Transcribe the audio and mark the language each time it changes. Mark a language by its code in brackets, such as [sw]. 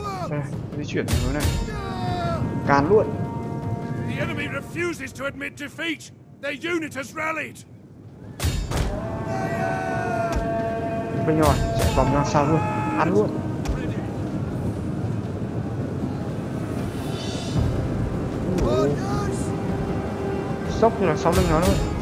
[vi] Đây, di chuyển hướng này. Cán luôn. [en] The enemy refuses to admit defeat. Their unit has rallied. [vi] Bên rồi, chạy vòng ra sau luôn, ăn luôn. Sốc như là sau lưng nó luôn.